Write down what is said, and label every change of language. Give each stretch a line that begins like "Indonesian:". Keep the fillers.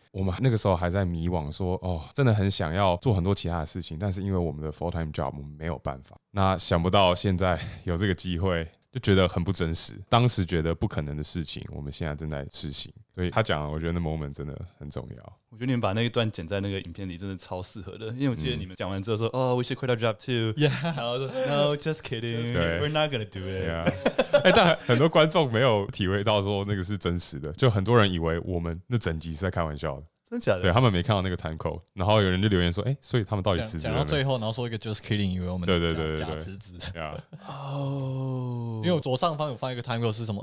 Chinese: 我们那个时候还在迷惘说，说哦，真的很想要做很多其他的事情，但是因为我们的 full-time job 我们没有办法。那想不到现在有这个机会。就觉得很不真实，当时觉得不可能的事情，我们现在正在实行。所以他讲，我觉得那 moment 真的很重要。我觉得你们把那一段剪在那个影片里，真的超适合的，因为我记得你们讲完之后说：“嗯、哦，
English: We should quit our job too。 ” Yeah，
Chinese: 然后说：“
English: No, just kidding. kidding. We're not gonna do it。
Chinese: ”哎，但很多观众没有体会到说那个是真实的，就很多人以为我们那整集是在开玩笑的。真的假的？对他们没看到那个 time code，然后有人就留言说：“哎、欸，所以他们到底辞职了？” 讲到最后，然后说一个
English: just kidding，
Chinese: 以为我们对对对对对假辞职。哦，因为我左上方有放一个 time code，是什么？